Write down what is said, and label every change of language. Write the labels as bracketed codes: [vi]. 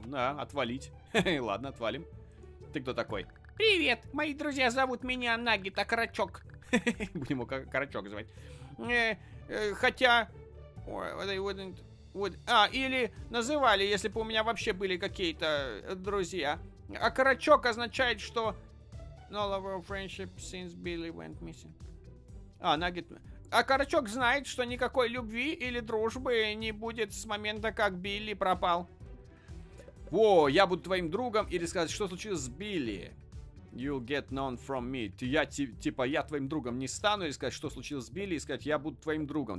[ru] Да, отвалить. Ладно, отвалим. Ты кто такой? Привет, мои друзья зовут меня Нагита Карачок. Будем его Карачок звать. Хотя... или называли, если бы у меня вообще были какие-то друзья. А Карачок означает, что... [en] No love or friendship since Billy went missing. [ru] А, Нагит... А Карачок знает, что никакой любви или дружбы не будет с момента, как Билли пропал. Во, я буду твоим другом, или сказать, что случилось с Билли. [en] You'll get none from me. [ru] Я твоим другом не стану, или сказать, что случилось с Билли, и сказать, я буду твоим другом.